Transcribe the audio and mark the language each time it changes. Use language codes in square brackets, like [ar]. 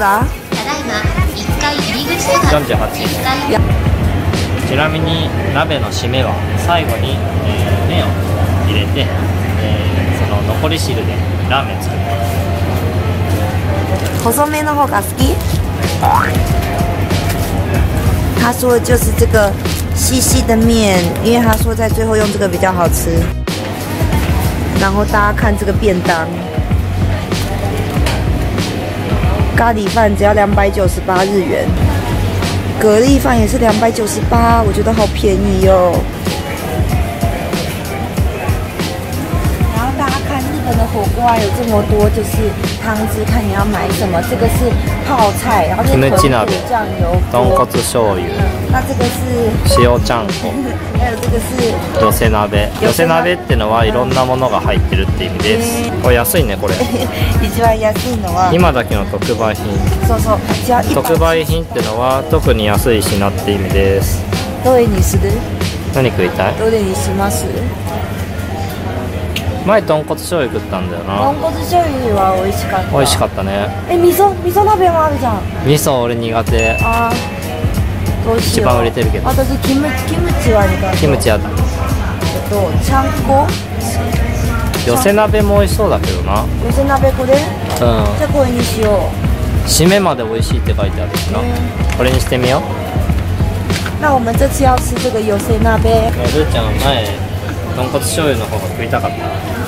[ja] ただいま1階入り口とか 38。ちなみに鍋の締めは最後に、麺を入れて、その残り汁でラーメン作ります。細めの方が好き？ [zh] 他说就是这个细细的面，因为他说在最后用这个比较好吃。然后大家看这个便当。咖喱饭只要298日元，蛤蜊饭也是298，我觉得好便宜哦。然后大家看日本的火锅啊，有这么多，就是汤汁，看你要买什么。这个是泡菜，然后是豚骨酱油锅， [ja] 豚骨醤油。 [zh] 那这个是塩醬粉，还有这个是 [ja] 寄せ鍋。寄せ鍋っていうのはいろんなものが入ってるって意味です。これ安いねこれ。一番安いのは今だけの特売品。そうそう。じゃあ特売品っていうのは特に安い品って意味です。どれにする？何食いたい？どれにします？前豚骨醤油食ったんだよな。豚骨醤油は美味しかった。美味しかったね。味噌鍋もあるじゃん。味噌俺苦手。ああ。どうしよう一番売れてるけど。私キムチは苦手。キムチやだ。ちゃんこ。寄せ鍋も美味しそうだけどな。寄せ鍋これ。うん。じゃあこれにしよう。締めまで美味しいって書いてあるしな。これにしてみよう。 [zh] 那我们这次要吃这个寄せ鍋。 [ja] ルーちゃん前豚骨醤油の方が食いたかった。